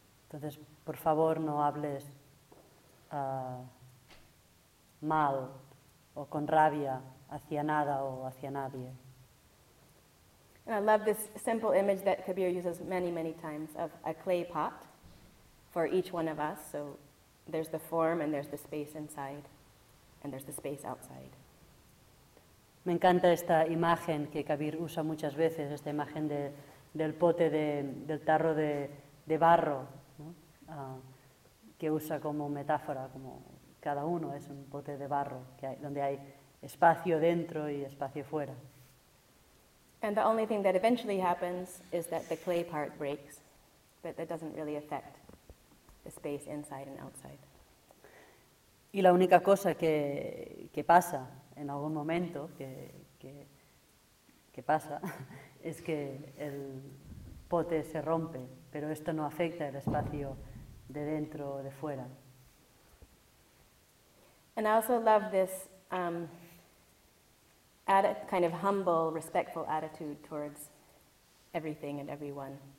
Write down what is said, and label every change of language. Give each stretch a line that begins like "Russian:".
Spanish: Entonces, por favor, no hables mal o con rabia hacia nada o hacia nadie.
English: And I love this simple image that Kabir uses many, many times of a clay pot for each one of us. So there's the form and there's the space inside and there's the space outside.
Spanish: Me encanta esta imagen que Kabir usa muchas veces, esta imagen de, del pote de, del tarro de barro, ¿no? Que usa como metáfora, como cada uno es un pote de barro que hay, donde hay espacio dentro y espacio fuera.
English: And the only thing that eventually happens is that the clay part breaks, but that doesn't really affect the space inside and outside.
Spanish: Y la única cosa que pasa en algún momento que pasa es que el pote se rompe, pero esto no afecta el espacio de dentro o de fuera.
English: And I also love this kind of humble, respectful attitude towards everything and everyone.